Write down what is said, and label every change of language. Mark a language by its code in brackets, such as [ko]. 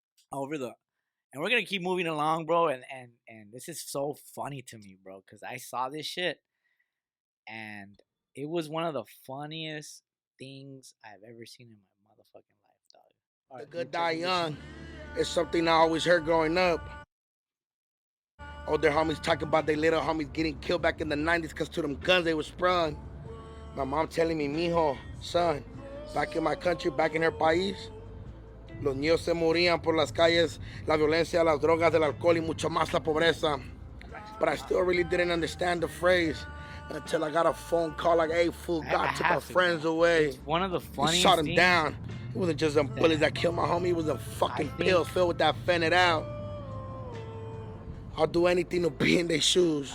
[en] Over the, and we're gonna keep moving along, bro. And this is so funny to me, bro, because I saw this shit, and it was one of the funniest things I've ever seen in my motherfucking life, dog. Right, the good die young is something I always heard growing up. Older homies talking about their little homies getting killed back in the 90s because to them guns they were sprung. My mom telling me, [es] mijo, [en] son, back in my country, back in her [es] país, los niños se morían por las calles, la violencia, las drogas, el alcohol y mucho más la pobreza. [en] But I still really didn't understand the phrase until I got a phone call like, hey, fool, God took my friends away. It's one of the funniest things. He shot him down. It wasn't just them bullets that killed my homie. It was a fucking pill filled with that fentanyl. I'll do anything to be in their shoes.